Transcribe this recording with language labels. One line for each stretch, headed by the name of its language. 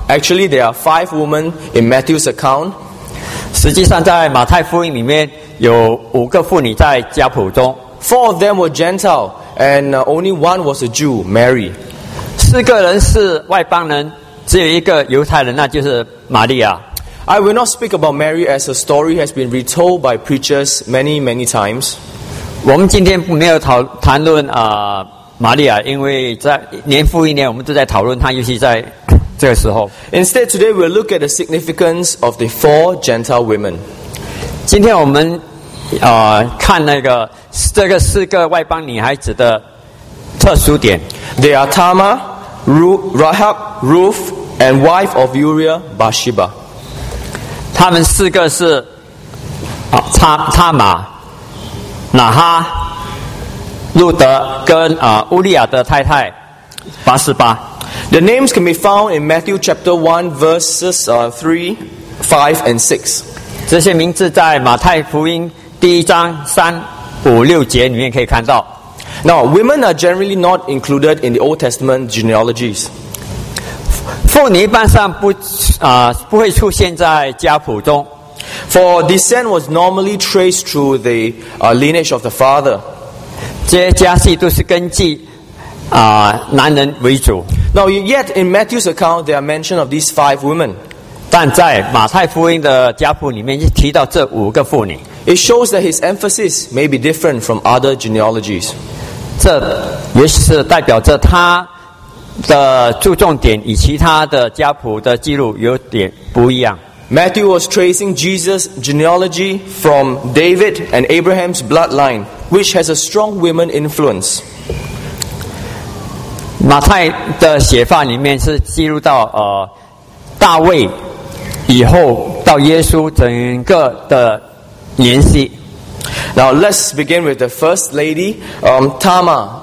English: Actually, there are five women in Matthew's account.
Chinese: 实际上，在马太福音里面。有五个妇女在家谱中
English: ，Four of them were Gentile, and only one was a Jew, Mary.
Chinese: 四个人是外邦人，只有一个犹太人，那就是玛利亚。
English: I will not speak about Mary as her story has been retold by preachers many, many times.
Chinese: 我们今天没有谈论玛利亚，因为在年复一年，我们都在讨论她，尤其在这个时候。
English: Instead, today we'll look at the significance of the four Gentile women.
Chinese: 今天我们看那个这个四个外邦女孩子的特殊点。
English: They are Tamar, Rahab, Ruth, and wife of Uriah, Bathsheba.
Chinese: 他们四个是Tamar, Nahah, 路德跟乌利亚的太太巴示巴。
English: The names can be found in Matthew chapter 1 verses 3, 5, and 6.
Chinese: 这些名字在马太福音第一章三五六节里面可以看到。
English: Now, women are generally not included in the Old Testament genealogies.
Chinese: 妇女一般上不会出现在家谱中。
English: For descent was normally traced through the lineage of the father.
Chinese: 这些家系都是根据男人为主。
English: Now, yet in Matthew's account, there are mention of these five women.
Chinese: 但在马太福音的家谱里面提到这五个妇女
English: ，It shows that his emphasis may be different from other genealogies.
Chinese: 这也是代表着他的注重点与其他的家谱的记录有点不一样。
English: Matthew was tracing Jesus' genealogy from David and Abraham's bloodline, which has a strong women influence.
Chinese: 马太的写法里面是记录到大卫。以后到耶稣整个的年纪。
English: Now let's begin with the first lady, Tamar.